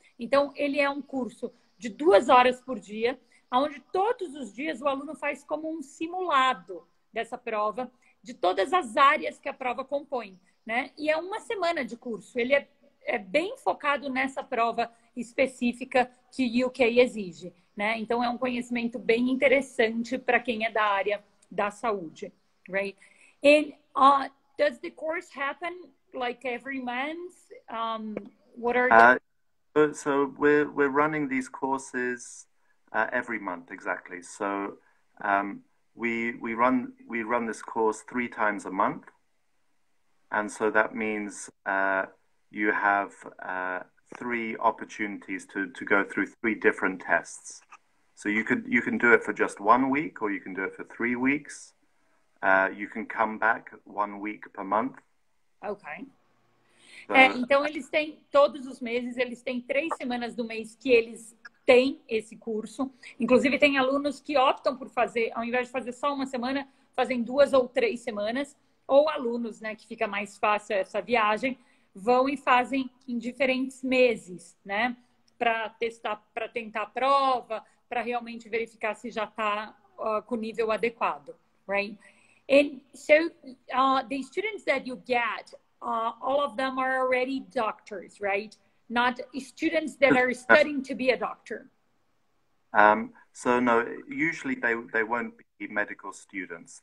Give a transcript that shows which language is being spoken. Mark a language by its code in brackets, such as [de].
[pt] Então, ele é um curso de 2 horas por dia, onde todos os dias o aluno faz como um simulado dessa prova, de todas as áreas que a prova compõe, né? E é uma semana de curso. Ele é bem focado nessa prova específica que o UK exige, né? Então é um conhecimento bem interessante para quem é da área da saúde, right? [en] And does the course happen like every month? What are the So we're running these courses every month, exactly. So we run this course 3 times a month, and so that means you have 3 opportunities to go through 3 different tests. So you can do it for just 1 week, or you can do it for 3 weeks. You can come back 1 week per month. [pt] Ok. É, [en] So. [pt] então, eles têm todos os meses, eles têm 3 semanas do mês que eles têm esse curso. Inclusive, tem alunos que optam por fazer, ao invés de fazer só 1 semana, fazem 2 ou 3 semanas. Ou alunos, né, que fica mais fácil essa viagem, vão e fazem em diferentes meses, né, para testar, para tentar a prova, para realmente verificar se já está com o nível adequado, right? [en] And so the students that you get, all of them are already doctors, right? Not students that are studying to be a doctor. So no, usually they won't be medical students.